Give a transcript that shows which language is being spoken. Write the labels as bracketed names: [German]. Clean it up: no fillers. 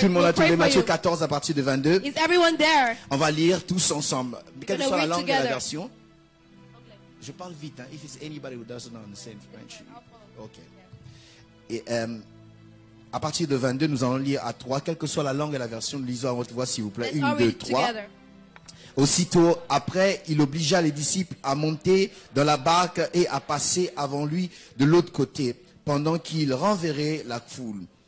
[French] Tout le monde a trouvé Matthieu 14 à partir de 22. [English] Is everyone there? [French] On va lire tous ensemble, quelle que soit la langue [English] together. [French] De la version. Okay. Je parle vite, hein. [English] If it's anybody who doesn't understand French. Okay. Yeah. [French] Et à partir de 22, nous allons lire à 3, quelle que soit la langue et la version, lisons à votre voix, s'il vous plaît. 1, 2, 3. Aussitôt après, il obligea les disciples à monter dans la barque et à passer avant lui de l'autre côté, pendant qu'il renverrait la foule.